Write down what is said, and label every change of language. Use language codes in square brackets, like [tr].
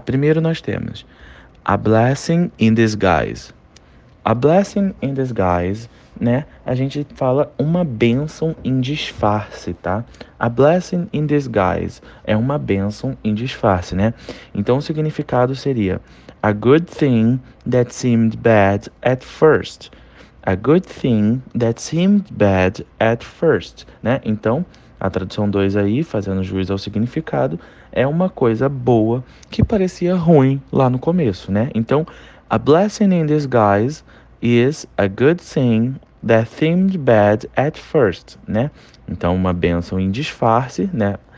[pt] Primeiro nós temos a blessing in disguise. A blessing in disguise, né? A gente fala uma bênção em disfarce, tá? A blessing in disguise é uma bênção em disfarce, né? Então o significado seria [en] A good thing that seemed bad at first. A good thing that seemed bad at first. [pt] Né? Então, a tradução 2 aí, fazendo jus ao significado, é uma coisa boa que parecia ruim lá no começo. Né? Então, [en] a blessing in disguise is a good thing that seemed bad at first. [pt] Né? Então, uma bênção em disfarce, né?